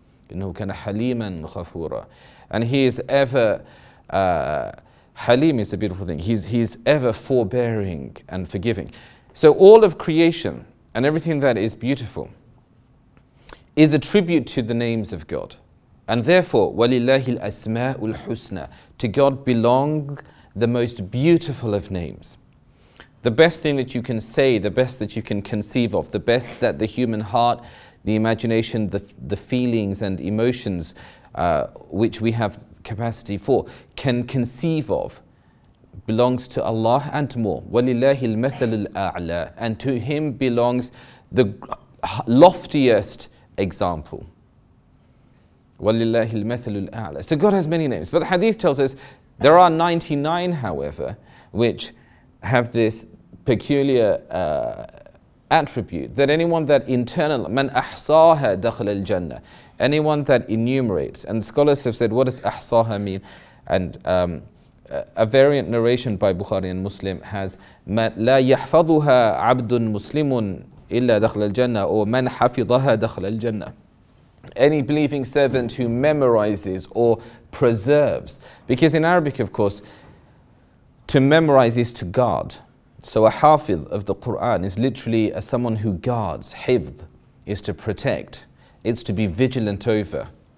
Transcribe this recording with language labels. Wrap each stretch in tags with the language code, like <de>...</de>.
<ar>إِنَّهُ كَانَ حَلِيمًا غَفُورًا.</ar> <en>And He is ever, Halim is a beautiful thing. He's ever forbearing and forgiving. So all of creation and everything that is beautiful is a tribute to the names of God. And therefore,</en> <ar>وَلِلَّهِ الْأَسْمَاءُ الْحُسْنَى.</ar> <en>To God belong the most beautiful of names. The best thing that you can say, the best that you can conceive of, the best that the human heart, the imagination, the feelings and emotions which we have capacity for, can conceive of, belongs to Allah and more.</en> <ar>وَلِلَّهِ الْمَثَلُ الْأَعْلَى.</ar> <en>And to Him belongs the loftiest example.</en> <ar>وَلِلَّهِ الْمَثَلُ الْأَعْلَى.</ar> <en>So God has many names. But the hadith tells us there are 99, however, which have this peculiar attribute that anyone that internal,</en> <ar>مَنْ أَحْصَاهَا دَخْلَ الْجَنَّةِ.</ar> <en>Anyone that enumerates, and scholars have said, what does أَحْصَاهَا mean? And a variant narration by Bukhari and Muslim has,</en> <ar>لَا يَحْفَظُهَا عَبْدٌ مُسْلِمٌ إِلَّا دَخْلَ الْجَنَّةِ or مَنْ حَفِظَهَا دَخْلَ الْجَنَّةِ.</ar> <en>Any believing servant who memorizes or preserves. Because in Arabic, of course, to memorize is to guard. So a hafidh of the Quran is literally as someone who guards. Hifdh is to protect. It's to be vigilant over.</en>